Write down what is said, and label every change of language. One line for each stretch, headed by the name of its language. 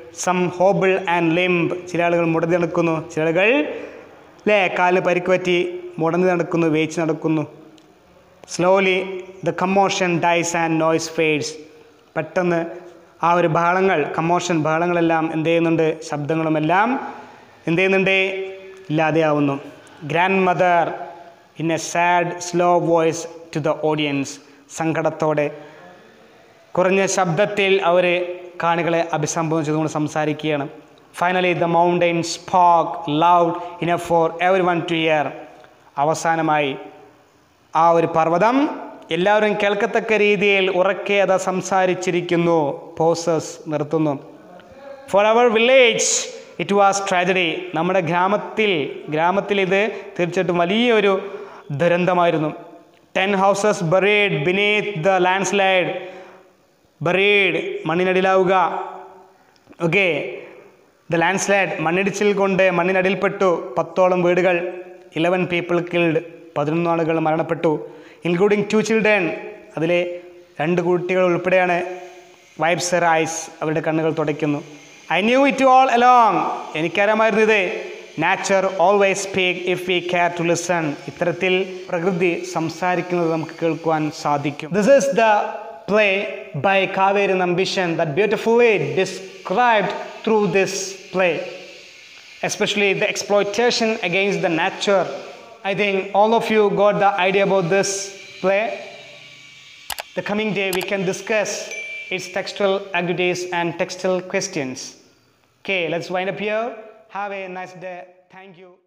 English: some hobble and limp,
Malayalam: ചില ആളുകൾ മുടന്തി നടക്കുന്നു, ചില ആളുകൾ അല്ലേ കാലിന് പരിക്കുപറ്റി മുടന്തി നടക്കുന്നു, വേച്ച് നടക്കുന്നു.
English: slowly the commotion dies and noise fades,
Malayalam: പെട്ടെന്ന് ആ ഒരു ബഹളങ്ങൾ, കമ്മോഷൻ ബഹളങ്ങളെല്ലാം എന്ത് ചെയ്യുന്നുണ്ട്, ശബ്ദങ്ങളുമെല്ലാം എന്ത് ചെയ്യുന്നുണ്ട്, ഇല്ലാതെയാവുന്നു. Grand mother
English: in a sad, slow voice to the audience.
Malayalam: സങ്കടത്തോടെ കുറഞ്ഞ ശബ്ദത്തിൽ അവരെ കാണികളെ അഭിസംബോധന ചെയ്തുകൊണ്ട് സംസാരിക്കുകയാണ്.
English: Finally the mountain spoke loud enough for everyone to hear.
Malayalam: അവസാനമായി ആ ഒരു പർവ്വതം എല്ലാവരും കേൾക്കത്തക്ക രീതിയിൽ ഉറക്കെ അത് സംസാരിച്ചിരിക്കുന്നു.
English: pauses
Malayalam: നിർത്തുന്നു.
English: For our village it was tragedy.
Malayalam: നമ്മുടെ ഗ്രാമത്തിൽ ഇത് തീർച്ചയായിട്ടും വലിയൊരു ദുരന്തമായിരുന്നു.
English: 10 houses buried beneath the landslide.
Malayalam: Buried, മണ്ണിനടിയിലാവുക. Okay,
English: the landslide,
Malayalam: മണ്ണിടിച്ചിൽ കൊണ്ട് മണ്ണിനടിയിൽപ്പെട്ടു 10 വീടുകൾ.
English: 11 people killed,
Malayalam: 11 ആളുകൾ മരണപ്പെട്ടു.
English: including 2 children,
Malayalam: അതിലെ 2 കുട്ടികൾ ഉൾപ്പെടെയാണ്
English: wipes eyes
Malayalam: അവരുടെ കണ്ണുകൾ തുടയ്ക്കുന്നു.
English: I knew it all along.
Malayalam: എനിക്കറിയാമായിരുന്നു ഇത്.
English: Nature always speak if we care to listen.
Malayalam: ഇത്തരത്തിൽ പ്രകൃതി സംസാരിക്കുന്നത് നമുക്ക് കേൾക്കുവാൻ സാധിക്കും.
English: This is the play by Kaveri Nambisan that beautifully described through this play, especially the exploitation against the nature. I think all of you got the idea about this play. The coming day we can discuss its textual activities and textual questions. Okay, let's wind up here. Have a nice day. Thank you.